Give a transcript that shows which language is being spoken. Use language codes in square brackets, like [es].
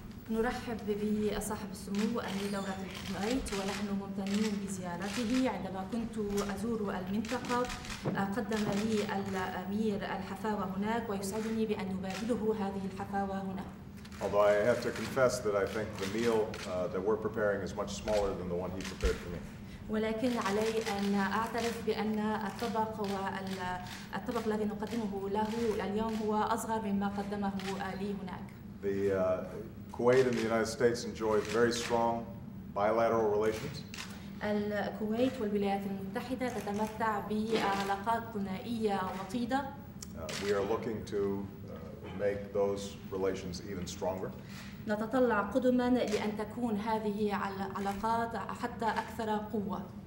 [ar] نرحب بصاحب السمو الأمير دولة الكويت ونحن ممتنين بزيارته. عندما كنت أزور المنطقة قدم لي الأمير الحفاوة هناك ويسعدني بأن أبادله هذه الحفاوة هنا. [en] Although I have to confess that I think the meal that we're preparing is much smaller than the one he prepared for me. [ar] ولكن علي أن أعترف بأن الطبق والطبق الذي نقدمه له اليوم هو أصغر مما قدمه لي هناك. [en] Kuwait and the United States enjoy very strong bilateral relations. [ar] الكويت والولايات المتحدة تتمتع بعلاقات ثنائية وطيدة. [en] We are looking to make those relations even stronger. [ar] نتطلع قدما لأن تكون هذه العلاقات حتى أكثر قوة.